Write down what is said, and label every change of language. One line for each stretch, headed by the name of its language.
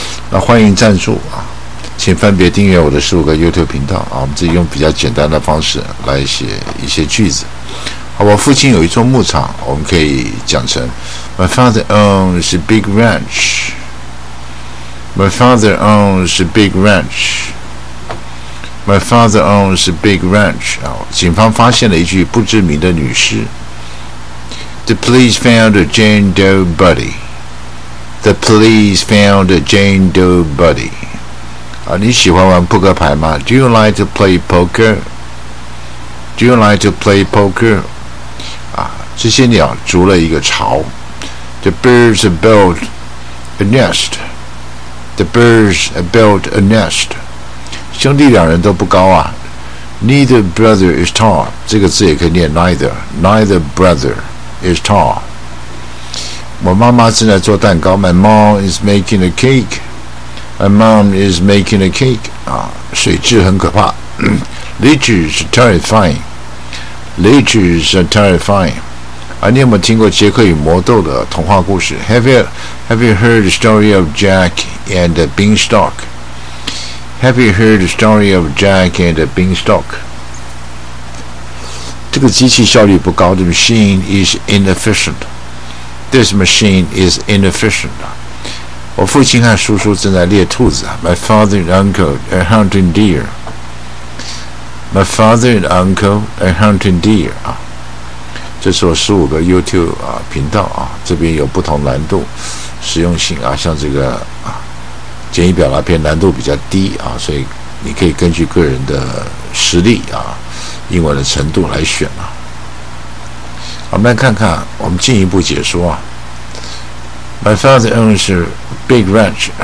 Chinese: 那欢迎赞助啊，请分别订阅我的15个 YouTube 频道啊，我们自己用比较简单的方式来写一些句子。好吧，父亲有一座牧场，我们可以讲成
English: My father owns a big ranch。 My father owns a big ranch. My father owns a big ranch.
Chinese: 警方发现了一具不知名的女尸。
English: The police found a Jane Doe body. The police found a Jane Doe body.
Chinese: 你喜欢玩扑克牌吗?
English: Do you like to play poker? Do you like to play poker?
Chinese: 这些鸟筑了一个巢。
English: The birds have built a nest. The birds built a nest.
Chinese: 兄弟两人都不高啊。
English: Neither brother is tall.
Chinese: 这个字也可以念 neither.
English: Neither brother is tall.
Chinese: 我妈妈正在做蛋糕。
English: My mom is making a cake. My mom is making a cake.
Chinese: 水蛭很可怕。
English: Leeches are terrifying. Leeches are terrifying.
Chinese: 你有没有听过杰克与魔豆的童话故事
English: Have you heard the story of Jack and the Beanstalk? Have you heard the story of Jack and the Beanstalk?
Chinese: 这个机器效率不高
English: The machine is inefficient. This machine is inefficient.
Chinese: 我父亲和叔叔正在猎兔子 My father and uncle are hunting deer.
English: My father and uncle are hunting deer.
Chinese: 这是我15个 YouTube 频道这边有不同难度实用性像这个简易表达篇难度比较低所以你可以根据个人的实力英文的程度来选我们来看看我们进一步解说
English: My father owns a big ranch.